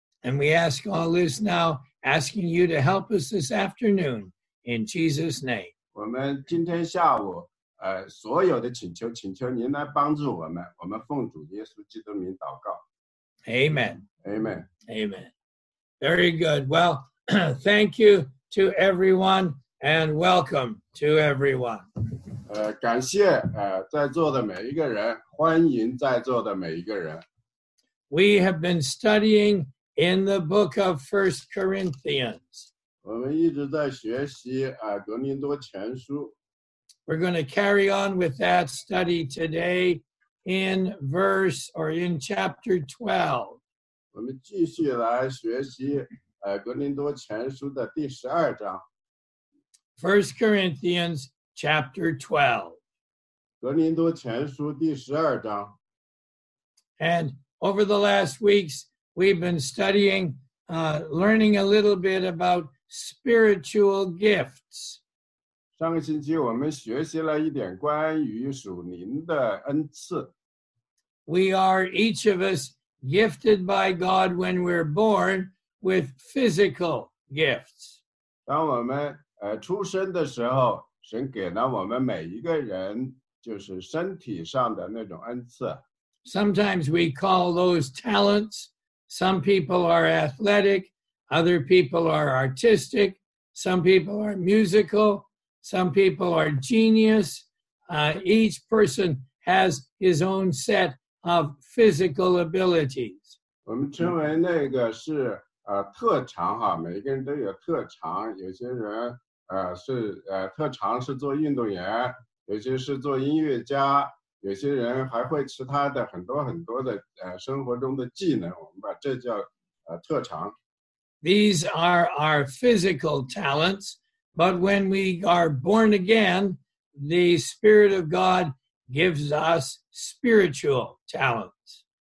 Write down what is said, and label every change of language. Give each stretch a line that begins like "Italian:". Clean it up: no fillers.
English: And we ask all this now, asking you to help us this afternoon, in Jesus' name.
Chinese: 我们今天下午 所有的请求，请求您来帮助我们。我们奉主耶稣基督名祷告。Amen.
English: Very good. Well, thank you to everyone and welcome to everyone.
Chinese: 感谢在座的每一个人，欢迎在座的每一个人。
English: We have been studying in the book of 1 Corinthians.
Chinese: 我们一直在学习格林多前书。
English: We're going to carry on with that study today in chapter 12.
Chinese: 我们继续来学习《格林多前书》的第十二章。
English: 1 Corinthians chapter 12.
Chinese: 格林多前书第十二章。
English: And over the last weeks, we've been studying, learning a little bit about spiritual gifts.
Chinese: 上个星期我们学习了一点关于属灵的恩赐。
English: We are each of us gifted by God when we're born with physical gifts.
Chinese: 当我们出生的时候，神给了我们每一个人就是身体上的那种恩赐。
English: Sometimes we call those talents. Some people are athletic. Other people are artistic. Some people are musical. Some people are genius. Each person has his own set of physical abilities.
Chinese: 我们称为那个是特长哈，每个人都有特长，有些人特长是做运动员，有些是做音乐家，有些人还会其他的很多很多的生活中的技能，我们把这叫特长。
English: These are our physical talents, but when we are born again, the Spirit of God gives us spiritual talents.